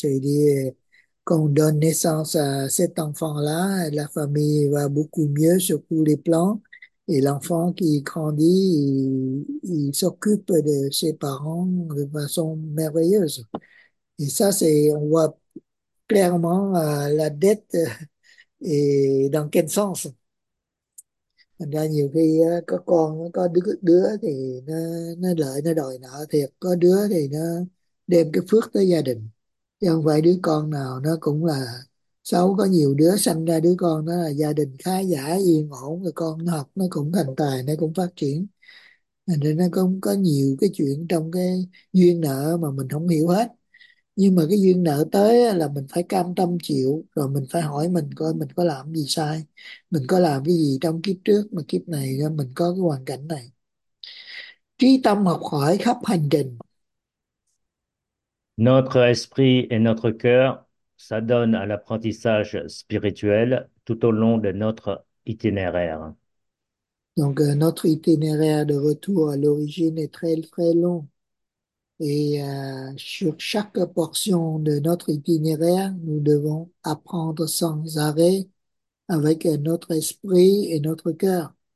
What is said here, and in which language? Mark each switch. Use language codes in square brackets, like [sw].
[fr] C'est-à-dire qu'on donne naissance à cet enfant-là, la famille va beaucoup mieux sur tous les plans. Et l'enfant qui grandit, il s'occupe de ses parents de façon merveilleuse. Et ça, c'est, on voit clairement la dette et dans quel sens. [vi] Là, nhiều khi có con, có đứa, đứa thì nó lợi, nó đòi nợ thiệt. Có đứa thì nó đem cái phước tới gia đình. Chứ không phải đứa con nào nó cũng là sau có nhiều đứa sanh ra đứa con đó là gia đình khá giả yên ổn, rồi con nó học nó cũng thành tài, nó cũng phát triển, nên nó cũng có nhiều cái chuyện trong cái duyên nợ mà mình không hiểu hết. Nhưng mà cái duyên nợ tới là mình phải cam tâm chịu, rồi mình phải hỏi mình coi mình có làm gì sai, mình có làm cái gì trong kiếp trước mà kiếp này mình có cái hoàn cảnh này. Trí tâm học hỏi khắp hành trình. [fr] Notre esprit et notre cœur ça donne à l'apprentissage spirituel tout au long de notre itinéraire. Donc notre itinéraire de retour à l'origine est très très long. Et sur chaque portion de notre itinéraire, nous devons apprendre sans arrêt avec notre esprit et notre cœur.